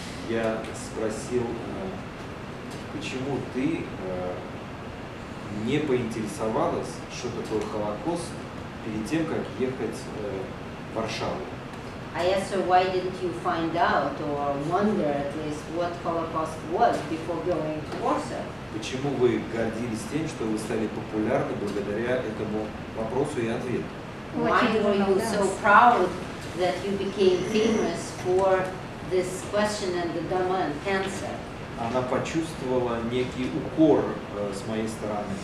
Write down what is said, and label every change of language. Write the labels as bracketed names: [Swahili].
[Russian] Я спросил, почему ты не поинтересовалась, что такое Холокост, перед тем, как ехать в Варшаву. [English] I asked her, why didn't you find out or wonder at least what Holocaust was before going to Warsaw? [Russian] Почему вы гордились тем, что вы стали популярны благодаря этому вопросу и ответу? [English] Why were you so proud that you became famous for this question and the dumb answer? [Russian] Она почувствовала некий укор с моей стороны.